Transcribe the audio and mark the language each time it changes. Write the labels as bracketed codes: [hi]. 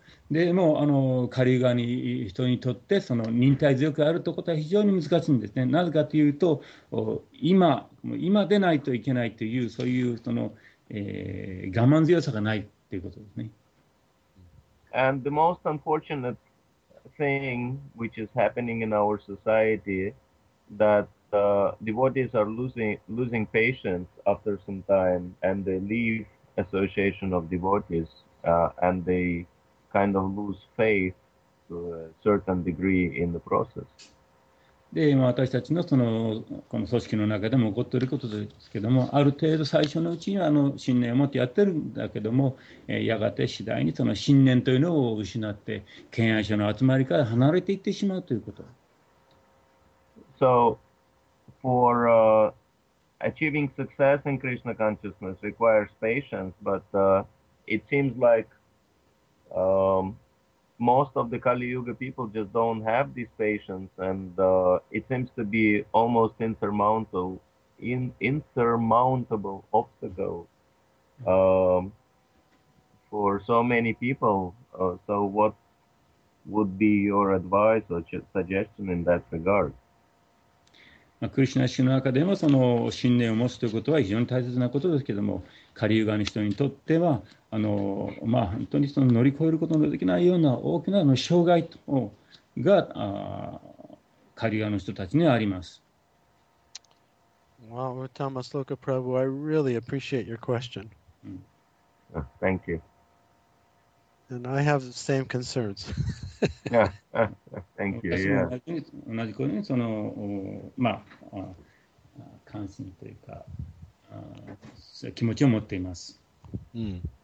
[ja] でも、カリユガに人にとってその忍耐強くあるということは非常に難しいんですね。なぜかというと、今でないといけないという、そういうその、我慢強さがないということですね。 [en] And the most unfortunate thing which is happening in our society that devotees are losing patience after some time and they leave association of devotees and they kind of lose faith to a certain degree in the process. [ja] で、私たちのこの組織の中でも起こっていることですけども、ある程度最初のうちには信念を持ってやってるんだけども、やがて次第にその信念というのを失って、敬愛者の集まりから離れていってしまうということ。 [en] So, for achieving success in Krishna consciousness requires patience, but it seems like most of the Kali Yuga people just don't have this patience, and it seems to be almost insurmountable obstacle for so many people. So what would be your advice or suggestion in that regard? [ja] クリシナ宗の中でもその信念を持つということは非常に大切なことですけども、カリユガの人にとっては、本当にその乗り越えることのできないような大きな障害がカリユガの人たちにあります。 [en] Wow, Uttama Sloka Prabhu, I really appreciate your question. Thank you. And I have the same concerns. Yeah, thank you. Yeah.